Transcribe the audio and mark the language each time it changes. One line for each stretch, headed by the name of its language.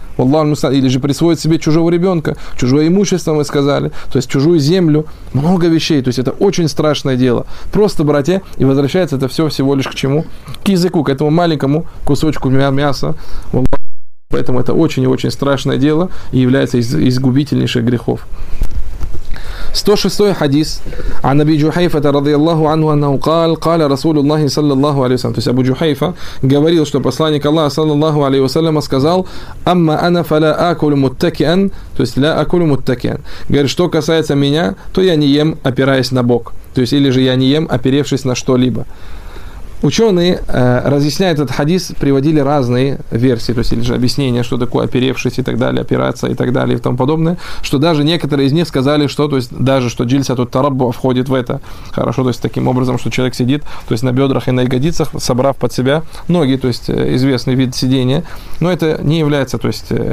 Russian: Или же присвоить себе чужого ребенка. Чужое имущество, мы сказали. То есть чужую землю. Много вещей. То есть это очень страшное дело. Просто, братья, и возвращается это все всего лишь к чему? К языку, к этому маленькому кусочку мяса. Поэтому это очень и очень страшное дело и является из губительнейших грехов. 106 хадис.
Arabic: عن ابي جحيفة رضي الله عنه انه قال قال رسول الله صلى الله عليه وسلم.
Russian: То есть Абу Джухайфа говорил, что посланник Аллаха саллаллаху алейхи ва саллям сказал:
Arabic: "Амма ана фала акулу муттакиан",
Russian: то есть
Arabic: ля акулу муттакиан.
Russian: Говорит, что касается меня, то я не ем, опираясь на бок. То есть или же я не ем, оперевшись на что-либо. Ученые разъясняют этот хадис, приводили разные версии, то есть или же объяснения, что такое оперевшись и так далее, опираться и так далее и тому подобное, что даже некоторые из них сказали, что, то есть даже что джильса тут тараббу входит в это, хорошо, то есть таким образом, что человек сидит, то есть на бедрах и на ягодицах, собрав под себя ноги, то есть известный вид сидения, но это не является, то есть